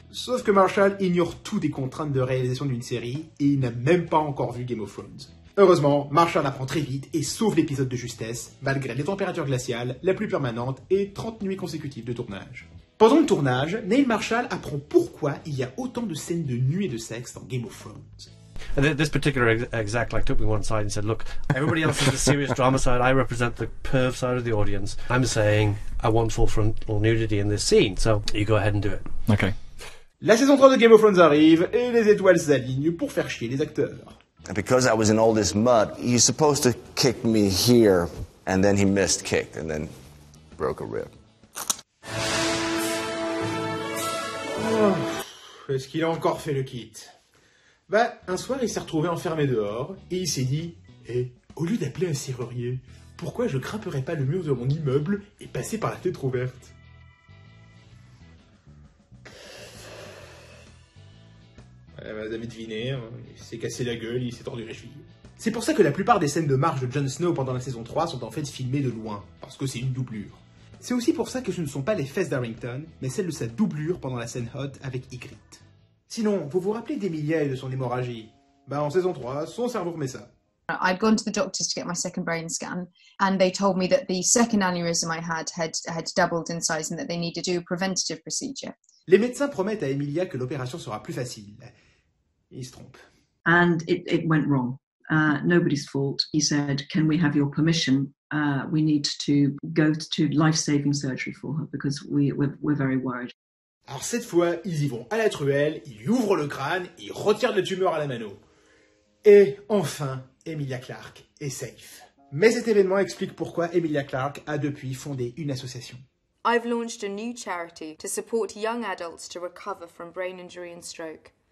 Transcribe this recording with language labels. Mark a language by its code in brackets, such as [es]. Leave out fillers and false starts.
[fr] Sauf que Marshall ignore toutes les contraintes de réalisation d'une série et il n'a même pas encore vu Game of Thrones. Heureusement, Marshall apprend très vite et sauve l'épisode de justesse, malgré les températures glaciales, la pluie permanente et 30 nuits consécutives de tournage. Pendant le tournage, Neil Marshall apprend pourquoi il y a autant de scènes de nuit et de sexe dans Game of Thrones. [en] And this particular exec like took me one side and said, look, everybody else is the serious drama side, I represent the perv side of the audience. I'm saying I want full frontal nudity in this scene, so you go ahead and do it. Okay. [fr] La saison 3 de Game of Thrones arrive et les étoiles s'alignent pour faire chier les acteurs. [en] Because I was in all this mud, he's supposed to kick me here, and then he missed kick, and then broke a rib. [fr] Oh, est-ce qu'il a encore fait le kit ? Bah, un soir, il s'est retrouvé enfermé dehors, et il s'est dit, au lieu d'appeler un serrurier, pourquoi je grimperais pas le mur de mon immeuble et passer par la fenêtre ouverte ? Vous avez deviné, hein. Il s'est cassé la gueule, il s'est tordu les chevilles. C'est pour ça que la plupart des scènes de marche de Jon Snow pendant la saison 3 sont en fait filmées de loin, parce que c'est une doublure. C'est aussi pour ça que ce ne sont pas les fesses d'Arrington, mais celles de sa doublure pendant la scène Hot avec Ygritte. Sinon, vous vous rappelez d'Emilia et de son hémorragie ? Bah en saison 3, son cerveau remet ça. [en] I'd gone to the doctors to get my second brain scan, and they told me that the second aneurysm I had had doubled in size and that they needed to do a preventative procedure. [fr] Les médecins promettent à Emilia que l'opération sera plus facile. Il se trompe. [en] And it went wrong. Nobody's fault. He said, "Can we have your permission? We need to go to life-saving surgery for her because we're very worried." [fr] Alors cette fois, ils y vont à la truelle, ils ouvrent le crâne, ils retirent le tumeur à la mano. Et enfin, Emilia Clarke est safe. Mais cet événement explique pourquoi Emilia Clarke a depuis fondé une association. [en] I've launched a new charity to support young adults to recover from brain injury and stroke.